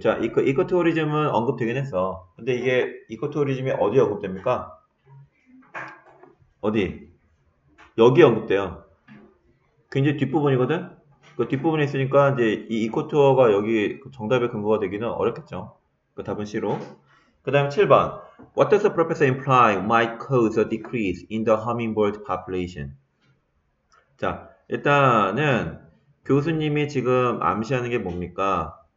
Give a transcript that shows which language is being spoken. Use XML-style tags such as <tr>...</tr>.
<ko>자, ecotourism은 언급되긴 했어. 근데 이게 ecotourism이 어디에 언급됩니까? 어디? 여기에 언급돼요. 굉장히 뒷부분이거든? 그 뒷부분에 있으니까 이제 이 ecotour가 여기 정답의 근거가 되기는 어렵겠죠. 그 답은 C로. 그 다음 7번.</ko> <en>What does the professor imply might cause a decrease in the hummingbird population?</en> <ko>자, 일단은 교수님이 지금 암시하는 게 뭡니까?</ko>